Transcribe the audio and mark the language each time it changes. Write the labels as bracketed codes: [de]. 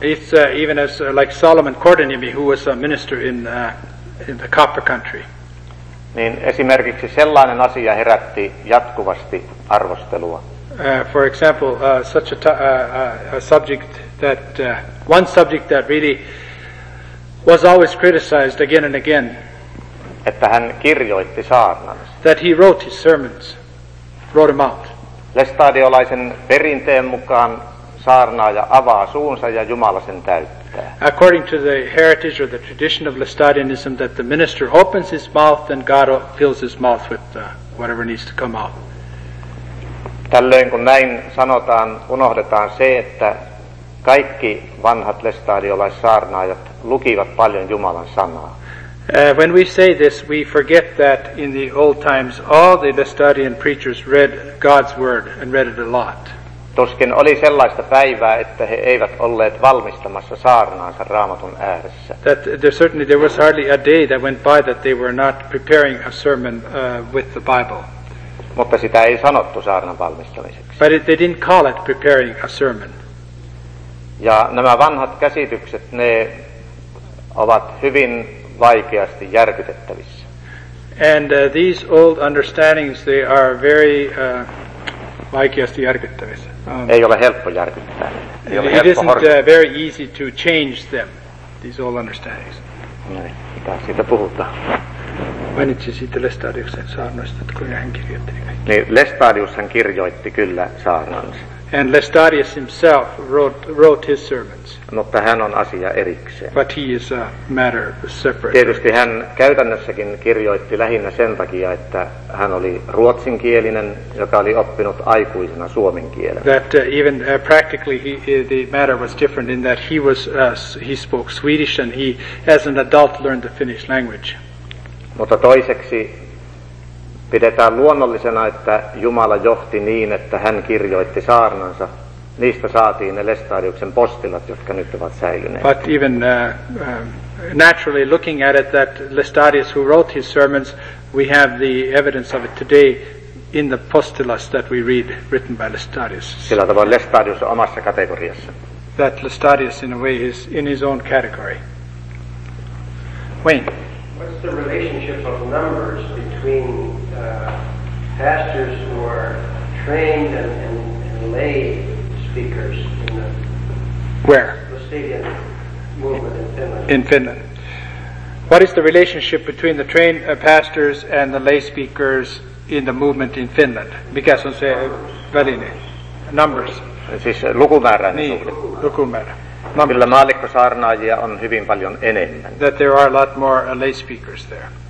[en] It's even as like Solomon Kortetniemi, who was a minister in the Copper Country. [fi] Niin esimerkiksi sellainen asia herätti jatkuvasti arvostelua. [en] For example, such a subject that one subject that really was always criticized again and again. [fi] Että hän kirjoitti saarnansa. [en] That he wrote his sermons, wrote them out. [fi] Lestadiolaisen perinteen mukaan saarnaaja avaa suunsa ja Jumala sen täyttää. [en] According to the heritage or the tradition of Lestadianism, that the minister opens his mouth and God fills his mouth with whatever needs to come out. [fi] Tällöin kun näin sanotaan, unohdetaan se, että kaikki vanhat lestadiolaissaarnaajat lukivat paljon Jumalan sanaa. [en] When we say this, we forget that in the old times all the Lestadian preachers read God's word and read it a lot. [fi] Tuskin oli sellaista päivää, että he eivät olleet valmistamassa saarnaansa Raamatun ääressä. [en] That there certainly there was hardly a day that went by that they were not preparing a sermon with the Bible. [fi] Mutta sitä ei sanottu saarnan valmistamiseksi. [en] But they didn't call it preparing a sermon. [fi] Ja nämä vanhat käsitykset, ne ovat hyvin vaikeasti järkytettävissä. [en] And these old understandings, they are very [fi] vaikeasti järkyttävissä. Ei ole helppo järkyttää. [en] It isn't very easy to change them, these old understandings. [fi] Noin, mitä siitä puhutaan? Mainitsin siitä Lestadiuksen saarnoista, kun hän kirjoitti. Niin, Lestadiushan kirjoitti kyllä saarnansa. [en] And Lestadius himself wrote his sermons. [fi] Mutta hän on asia erikseen. [en] But he is a matter separate. [fi] Tietysti hän käytännössäkin kirjoitti lähinnä sen takia, että hän oli ruotsinkielinen, joka oli oppinut aikuisena suomen kielen. [en] That even practically the matter was different in that he was he spoke Swedish and he as an adult learned the Finnish language. [fi] Mutta toiseksi pidetään luonnollisena, että Jumala johti niin, että hän kirjoitti saarnansa. Niistä saatiin ne Lestadiuksen postilat, jotka nyt ovat säilyneet. [en] But even naturally looking at it, that Lestadius who wrote his sermons, we have the evidence of it today in the postilas that we read written by Lestadius. [fi] Sillä tavoin Lestadius on omassa kategoriassa. [en] That Lestadius in a way is in his own category. Wayne. What's the relationship of numbers between pastors who are trained and lay speakers in the Lestadian movement in Finland? In Finland. What is the relationship between the trained pastors and the lay speakers in the movement in Finland? [fi] Mikä on se väline? Numbers. Siis lukumäärä. Niin, lukumäärä. Kyllä maallikkosaarnaajia on hyvin paljon enemmän. [en] That there are a lot more lay speakers there.